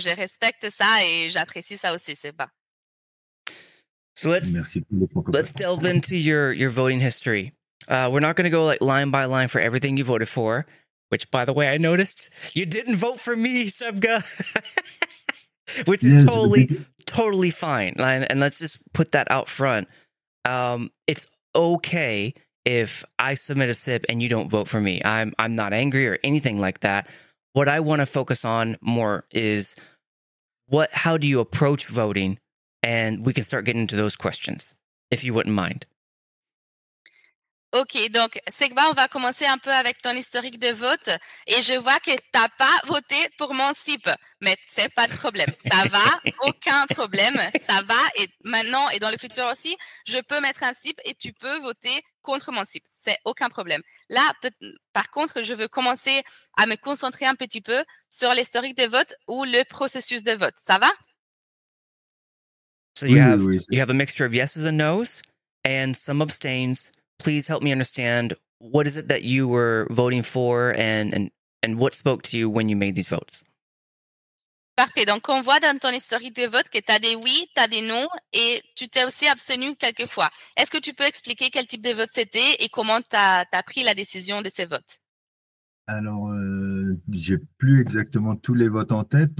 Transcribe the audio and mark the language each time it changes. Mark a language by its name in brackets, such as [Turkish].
[French] Je respecte ça et j'apprécie ça aussi, c'est bon. [English] So let's delve into your voting history. We're not going to go like line by line for everything you voted for, which, by the way, I noticed you didn't vote for me, Sevga, which is totally fine. And let's just put that out front. It's okay if I submit a SIB and you don't vote for me. I'm not angry or anything like that. What I want to focus on more is how do you approach voting? And we can start getting into those questions, if you wouldn't mind. [French] OK, donc, Sigma, on va commencer un peu avec ton historique de vote. Et je vois que tu n'as pas voté pour mon SIP. Mais ce n'est pas de problème. Ça va, aucun problème. Ça va, et maintenant et dans le futur aussi, je peux mettre un SIP et tu peux voter contre mon SIP. C'est aucun problème. Là, par contre, je veux commencer à me concentrer un petit peu sur l'historique de vote ou le processus de vote. Ça va? [English] So you have a mixture of yeses and noes and some abstains. Please help me understand, what is it that you were voting for and what spoke to you when you made these votes? [French] Parfait. Donc, on voit dans ton historique de vote que tu as des oui, tu as des non et tu t'es aussi abstenu quelques fois. Est-ce que tu peux expliquer quel type de vote c'était et comment tu as pris la décision de ces votes? Alors, j'ai plus exactement tous les votes en tête.